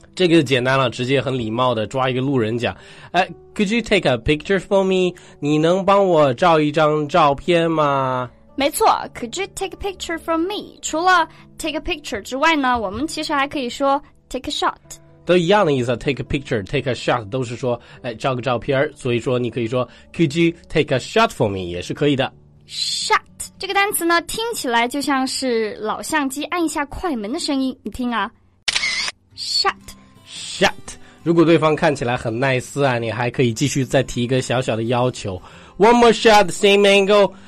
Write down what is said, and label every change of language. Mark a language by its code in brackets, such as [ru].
[zh] 这个简单了，直接很礼貌的抓一个路人讲，哎 ， [en] Could you take a picture for me？ [zh] 你能帮我照一张照片吗？没错 ， [en] Could you take a picture for me？ [zh] 除了 [en] take a picture [zh] 之外呢，我们其实还可以说 [en] take a shot， [zh] 都一样的意思。 [en] take a picture、 take a shot [zh] 都是说，哎，照个照片。 所以说，你可以说 [en] Could you take a shot for me？ [zh] 也是可以的。 Shot 这个单词呢，听起来就像是老相机按一下快门的声音。你听啊 ，shot，shot。 [en] Shot. [zh] 如果对方看起来很 nice 啊，你还可以继续再提一个小小的要求 ， [en] one more shot， same angle。